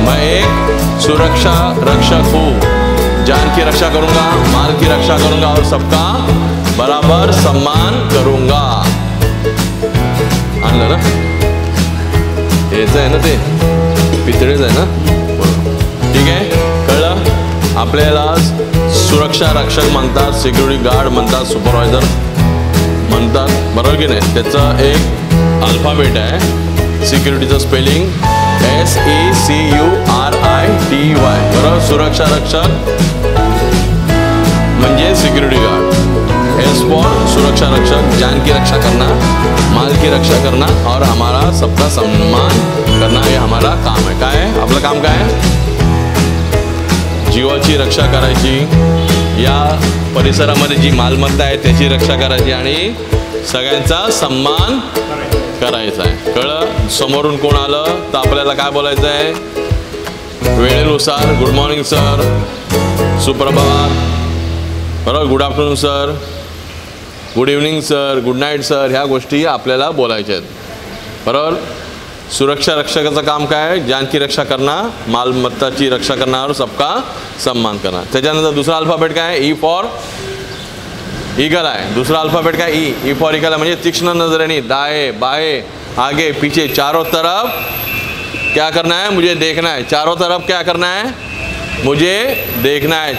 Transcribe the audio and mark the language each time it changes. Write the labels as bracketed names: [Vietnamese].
[Hindi] मैं एक सुरक्षा रक्षक हूँ. जान की रक्षा करूँगा, माल की रक्षा करूँगा और सबका बराबर सम्मान करूँगा. [Marathi] आणलं ना, हेच आहे ना, ते पितळेच आहे ना, बरोबर. ठीक आहे, कळलं? आपल्याला सुरक्षा रक्षक म्हणतात, सिक्युरिटी गार्ड म्हणतात, सुपरवायझर म्हणतात, बरोबर की नाही? त्याचं एक अल्फाबेट आहे सिक्युरिटीचं स्पेलिंग, SECURITY, बरोबर. सुरक्षा रक्षक म्हणजे सिक्युरिटी गार्ड. [Hindi] S फॉर सुरक्षा रक्षक, जान की रक्षा करना, माल की रक्षा करना और हमारा सबका सम्मान करना, हे हमारा काम है. [Marathi] काय आहे आपलं काम? काय आहे? जीवाची रक्षा करायची, या परिसरामध्ये जी मालमत्ता आहे त्याची रक्षा करायची आणि सगळ्यांचा सम्मान करायचं आहे. कळलं? समोरून कोण आलं तर आपल्याला काय बोलायचं आहे? वेळेनुसार गुड मॉर्निंग सर, सुप्रभात, बरोबर, good afternoon sir, good evening sir, good night sir, ह्या गोष्टी आपल्याला बोलायच्या आहेत, बरोबर. सुरक्षा रक्षकाचं काम काय आहे? [Hindi] जान की रक्षा करना, [Marathi] मालमत्ताची रक्षा करणार [Hindi] और सबका सम्मान करणार. [Marathi] त्याच्यानंतर दुसरा अल्फाबेट काय आहे? ई फॉर इगल आहे, म्हणजे तीक्ष्ण नजरेने [Hindi] दाए बाए आगे पीछे चारों तरफ क्या करना है? मुझे देखना है. चारों तरफ क्या करना है? मुझे देखना है.